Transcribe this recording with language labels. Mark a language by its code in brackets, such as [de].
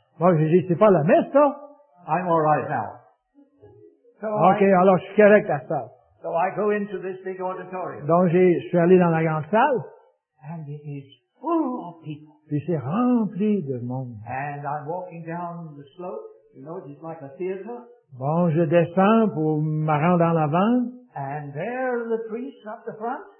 [fr] Moi, j'ai dit, c'est pas la messe, ça. [en] I'm all right now. [fr] So ok, alors je suis correct à ça. [en] So I go into this big auditorium. [fr] Donc je suis allé dans la grande salle. [en] And it is full of people. [fr] Puis c'est rempli de monde. [en] And I'm walking down the slope. You know, it's like a theater. [fr] Bon, je descends pour me rendre en avant. [en] And there are the priests up the front.